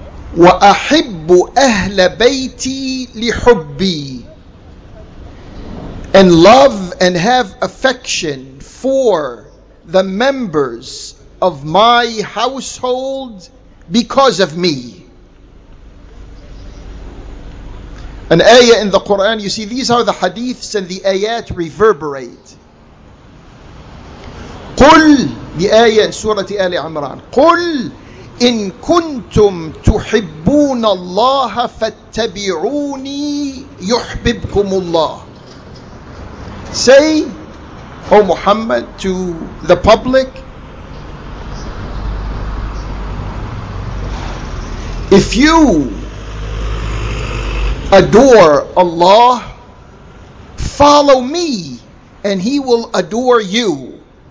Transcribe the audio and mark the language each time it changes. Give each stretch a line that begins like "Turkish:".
Arabic: وَأَحِبُّ أَهْلَ بَيْتِي لِحُبِّي,
English: and love and have affection for the members of my household because of me. An ayah in the Quran, you see, these are the hadiths and the ayat reverberate.
Arabic: قُلْ,
English: the ayah in Surah Ali Imran,
Arabic: قُلْ إن كنتم تحبون الله فاتبعوني يحببكم الله.
English: say, O Muhammad, to the public, if you adore Allah, follow me and he will adore you.